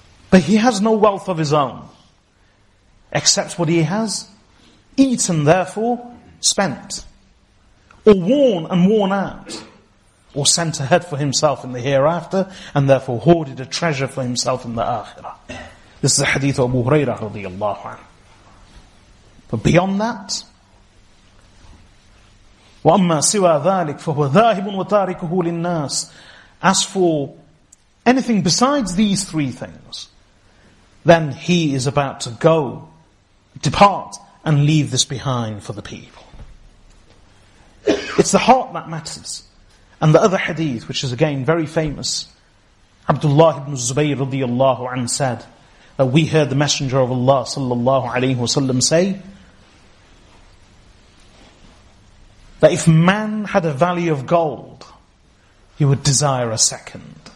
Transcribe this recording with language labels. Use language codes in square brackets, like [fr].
[en] But he has no wealth of his own, except what he has eaten, therefore spent, or worn and worn out, or sent ahead for himself in the hereafter, and therefore hoarded a treasure for himself in the akhirah. This is a hadith of Abu Hurairah radiallahu anhu. But beyond that, [ar] وَأَمَّا سِوَى ذَٰلِكَ فَهُوَ ذَاهِبٌ وَتَارِكُهُ لِلنَّاسِ. [en] As for anything besides these three things, then he is about to go, depart, and leave this behind for the people. It's the heart that matters. And the other hadith, which is again very famous, Abdullah ibn Zubayr radiallahu anhu said, that we heard the Messenger of Allah sallallahu alayhi wa sallam say, that if man had a valley of gold, he would desire a second.